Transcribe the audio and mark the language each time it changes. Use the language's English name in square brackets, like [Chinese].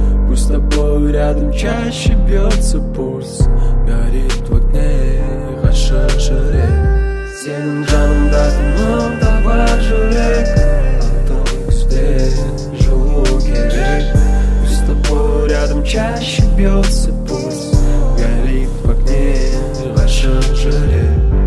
[Russian] Пусть с тобой рядом чаще бьется пульс. Горит в огне [Kazakh] ғашық жүрек. Сенің жанымда тыным табар жүрек. Алтын күзде жылу керек. [Russian] Пусть с тобой рядом чаще бьется пульс. Горит в огне [Kazakh] ғашық жүрек.